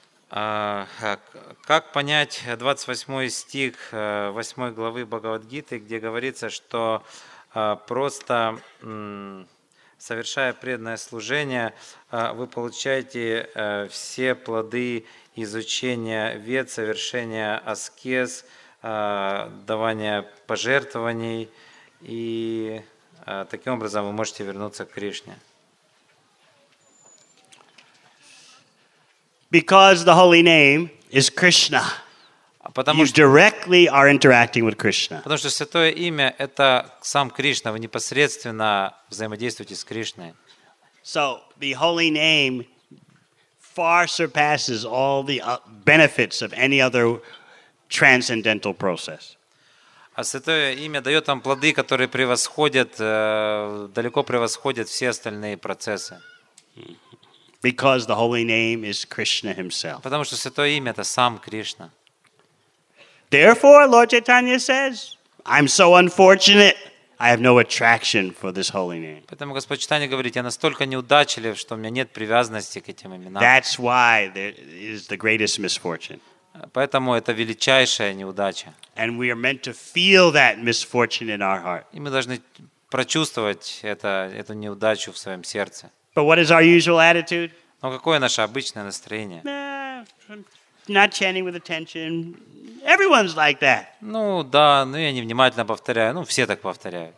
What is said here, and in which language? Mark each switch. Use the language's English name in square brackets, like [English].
[Russian] Как понять 28 стих 8 главы Бхагавад-гиты, где говорится, что просто совершая преданное служение, вы получаете все плоды изучения вед, совершения аскез, давания пожертвований, и таким образом вы можете вернуться к Кришне. [English] Because the holy name is Krishna, you directly are interacting with Krishna. [Russian] Потому что святое имя — это сам Кришна, вы непосредственно взаимодействуете с Кришной. [English] So the holy name far surpasses all the benefits of any other transcendental process. [Russian] А святое имя дает вам плоды, которые превосходят, далеко превосходят все остальные процессы. [English] Because the holy name is Krishna himself. [Russian] Потому что святое имя это сам Кришна. [English] Therefore, Lord Chaitanya says, I'm so unfortunate, I have no attraction for this holy name. [Russian] Поэтому Господь Чайтанья говорит, я настолько неудачлив, что у меня нет привязанности к этим именам. [English] That's why there is the greatest misfortune. [Russian] Поэтому это величайшая неудача. [English] And we are meant to feel that misfortune in our heart. [Russian] И мы должны прочувствовать эту неудачу в своем сердце. [English] But what is our usual attitude? [Russian] Но какое наше обычное настроение? [English] Not chanting with attention. Everyone's like that. [Russian] Ну да, но я невнимательно повторяю. Ну все так повторяют.